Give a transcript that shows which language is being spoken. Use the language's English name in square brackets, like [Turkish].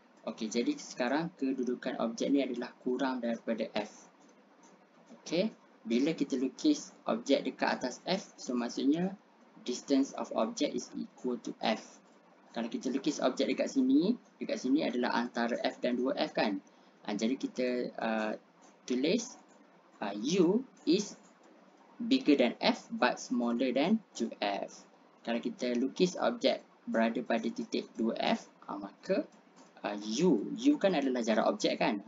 [Malay] Okey, jadi sekarang kedudukan objek ni adalah kurang daripada F. Okey, bila kita lukis objek dekat atas F, so maksudnya [English] distance of object is equal to F. [Malay] Kalau kita lukis objek dekat sini adalah antara F dan 2F kan? Jadi kita tulis [English] U is bigger than F but smaller than 2F. [Malay] Kalau kita lukis objek berada pada titik 2F, maka U kan adalah jarak objek kan?